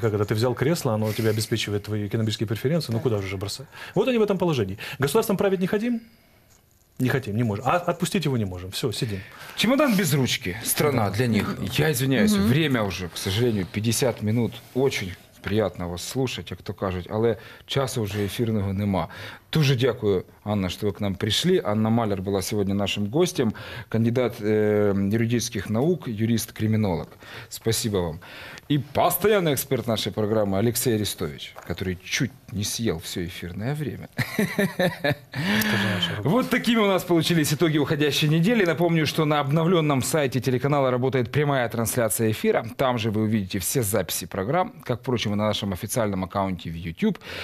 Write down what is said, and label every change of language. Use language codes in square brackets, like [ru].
[ru] Как это? Ты взял кресло, оно тебе обеспечивает твои экономические преференции. Ну куда же уже бросать? Вот они в этом положении. Государством править не хотим? Не хотим, не можем. А отпустить его не можем. Все, сидим. Чемодан без ручки. Страна для них. Я извиняюсь, время уже, к сожалению, 50 минут. Очень приятно вас слушать, [uk] як то кажуть. Але часу вже ефірного нема. Дуже дякую, Анна, що ви к нам прийшли. Анна Маляр була сьогодні нашим гостем. Кандидат юридичних наук, юрист-кримінолог. [ru] Спасибо вам. И постоянный эксперт нашей программы Алексей Арестович, который чуть не съел все эфирное время. Вот такими у нас получились итоги уходящей недели. Напомню, что на обновленном сайте телеканала работает прямая трансляция эфира. Там же вы увидите все записи программ, как, впрочем, и на нашем официальном аккаунте в YouTube.